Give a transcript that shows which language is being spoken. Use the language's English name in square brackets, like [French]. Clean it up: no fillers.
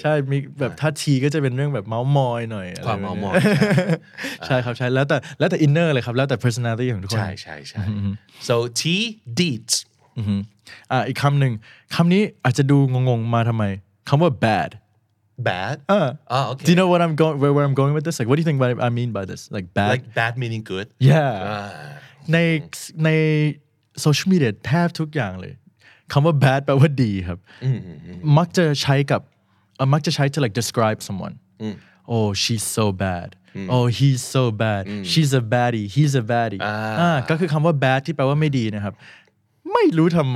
[Thai] ใช่มีแบบถ้าทีก็จะเป็นเรื่องแบบเมาส์มอยหน่อย ความเมาส์มอย ใช่ครับใช่แล้วแต่อินเนอร์เลยครับแล้วแต่ personality ของทุกคน ใช่ใช่ใช่ [English] so tea deets [Thai] อีกคำหนึ่งคำนี้อาจจะดูงงๆมาทำไมคำว่า bad [English] okay do you know what I'm going where I'm going with this like what do you think I mean by this like bad like bad meaning good [Thai] yeahในโซเชียลมีเดียแทบทุกอย่างเลยคำว่า bad แปลว่าดีครับมักจะใช้กับมักจะใช้ [English] to like describe someone oh she's so bad oh he's so bad she's a baddie [Thai] he's a baddie ก็คือคำว่า bad ที่แปลว่าไม่ดีนะครับไม่รู้ทำไ